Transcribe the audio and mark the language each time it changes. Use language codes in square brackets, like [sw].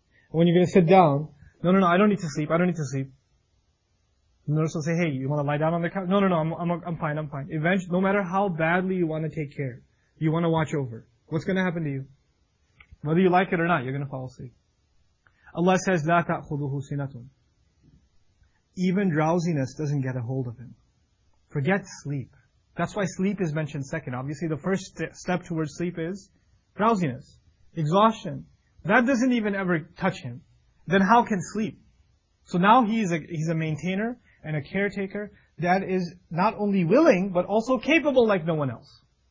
[en] And when you're gonna sit down, I don't need to sleep. The nurse will say, hey, you wanna lie down on the couch? No, I'm fine. Eventually, no matter how badly you wanna take care, you wanna watch over, what's gonna happen to you? Whether you like it or not, you're gonna fall asleep. Allah says, [ar] لا تأخذه سنة. [en] Even drowsiness doesn't get a hold of him. Forget sleep. That's why sleep is mentioned second. Obviously, the first step towards sleep is drowsiness, exhaustion. That doesn't even ever touch him. Then how can sleep? So now he's a maintainer and a caretaker that is not only willing, but also capable like no one else.